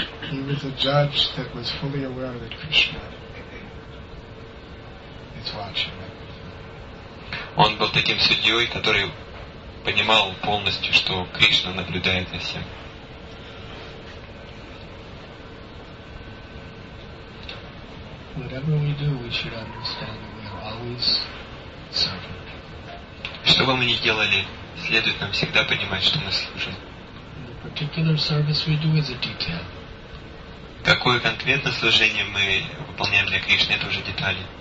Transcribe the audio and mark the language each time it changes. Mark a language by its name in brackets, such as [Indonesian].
[English] He was a judge that was fully aware that Krishna is watching. [Russian] Он был таким судьей, который понимал полностью, что Кришна наблюдает за всем. [English] Whatever we do, we should understand that we are always serving. [Russian] Что бы мы ни делали, следует нам всегда понимать, что мы служим. [English] The particular service we do is a detail. [Russian] Какое конкретно служение мы выполняем для Кришны, это уже детали.